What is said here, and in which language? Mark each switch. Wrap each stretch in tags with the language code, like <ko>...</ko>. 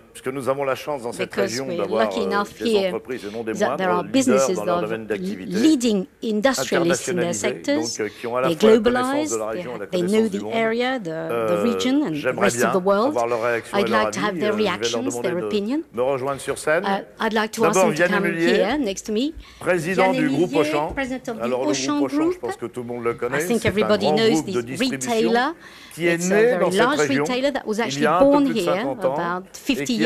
<fr>Puisque nous avons la chance dans cette région d'avoir des entreprises et non des moindres, leaders dans leur domaine d'activité,</fr> <en>leading industrialists in their sectors,</en> <fr>donc, qui ont à la</fr> <en>they globalize, they know the area, the region and the rest of the world. I'd like to have their reactions, their opinion.</en> <fr>Me rejoindre sur scène.</fr> <en>I'd like to ask them to come here next to me.</en> <fr>Président du groupe Auchan. Alors le groupe Auchan, je pense que tout le monde le connaît.</fr> <en>I think everybody knows this retailer.</en> <fr>Qui est né dans cette région.</fr> <en>Retailer that was actually born here about 50 years.</en>